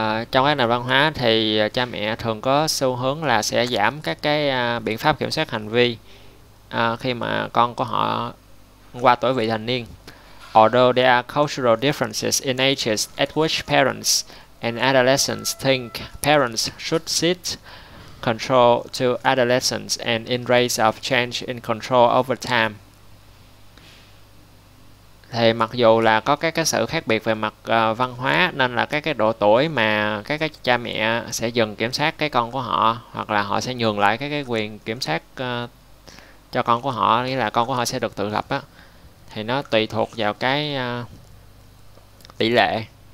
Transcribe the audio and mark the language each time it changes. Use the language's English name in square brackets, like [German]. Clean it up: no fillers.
[Vietnamese] Trong cái nền văn hóa thì cha mẹ thường có xu hướng là sẽ giảm các cái biện pháp kiểm soát hành vi khi mà con của họ qua tuổi vị thành niên. [English] Although there are cultural differences in ages at which parents and adolescents think parents should cede control to adolescents and in race of change in control over time. [Vietnamese] Thì mặc dù là có các cái sự khác biệt về mặt văn hóa nên là các cái độ tuổi mà các cái cha mẹ sẽ dừng kiểm soát cái con của họ hoặc là họ sẽ nhường lại cái quyền kiểm soát cho con của họ, nghĩa là con của họ sẽ được tự lập á, thì nó tùy thuộc vào cái tỷ lệ,